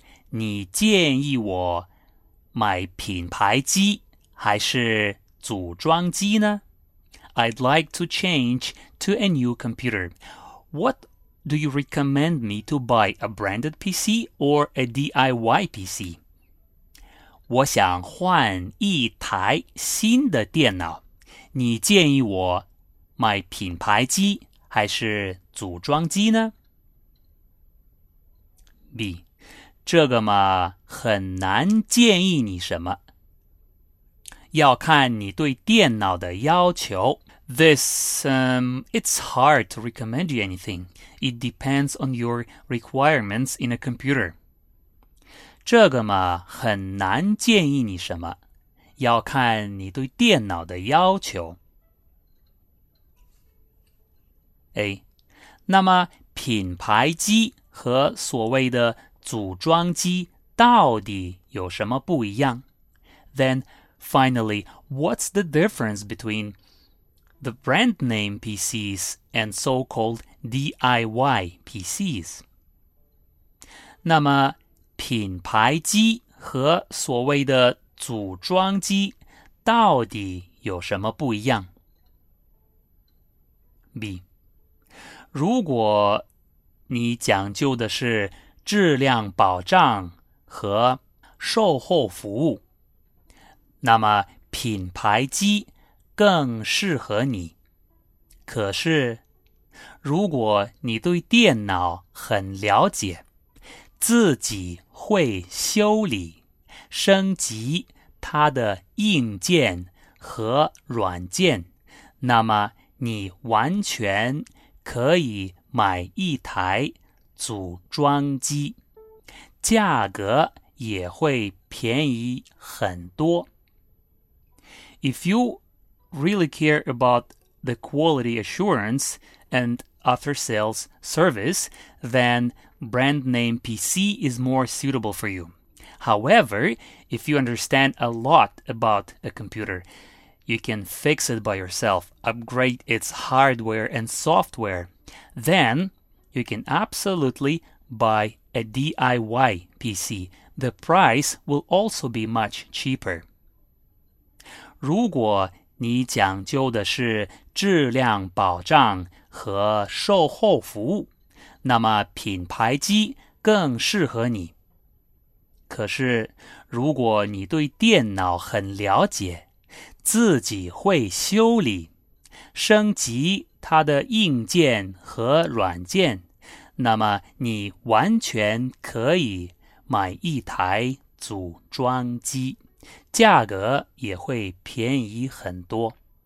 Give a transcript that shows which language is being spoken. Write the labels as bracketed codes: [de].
[zh] 你建议我买品牌机还是组装机呢？ [en] I'd like to change to a new computer. What do you recommend me to buy, a branded PC or a DIY PC? [zh] 我想换一台新的电脑。你建议我买品牌机还是组装机呢？ [en] B. [zh] 这个嘛，很难建议你什么。要看你对电脑的要求。 [en] It's hard to recommend you anything. It depends on your requirements in a computer. [zh] 这个嘛，很难建议你什么，要看你对电脑的要求。 [en] A. [zh] 那么品牌机和所谓的组装机到底有什么不一样？ [en] Then, finally, what's the difference between... the brand name PCs and so-called DIY PCs. [zh] 那么品牌机和所谓的组装机到底有什么不一样？ [en] B. [zh] 如果你讲究的是质量保障和售后服务，那么品牌机更适合你。可是如果你对电脑很了解，自己会修理升级它的硬件和软件，那么你完全可以买一台组装机，价格也会便宜很多。 [en] If you really care about the quality assurance and after-sales service, then brand name PC is more suitable for you. However, if you understand a lot about a computer, you can fix it by yourself, upgrade its hardware and software. Then you can absolutely buy a DIY PC. The price will also be much cheaper. [zh] 如果你讲究的是质量保障和售后服务，那么品牌机更适合你。可是，如果你对电脑很了解，自己会修理、升级它的硬件和软件，那么你完全可以买一台组装机，价格也会便宜很多。